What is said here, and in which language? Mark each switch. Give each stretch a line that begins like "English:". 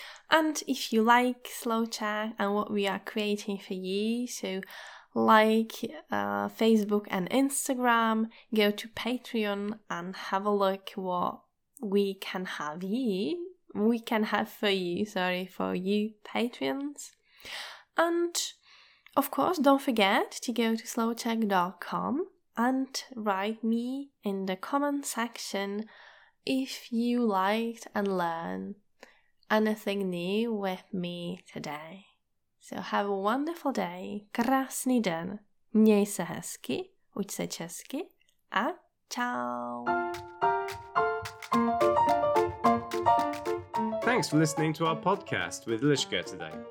English: And if you like Slow Czech and what we are creating for you, so like Facebook and Instagram, go to Patreon and have a look what we can have for you, Patreons. And of course, don't forget to go to slowcheck.com and write me in the comment section if you liked and learned anything new with me today. So have a wonderful day,
Czech: krásný den, měj se hezky, uč se česky a čau!
English: Thanks for listening to our podcast with Liška today.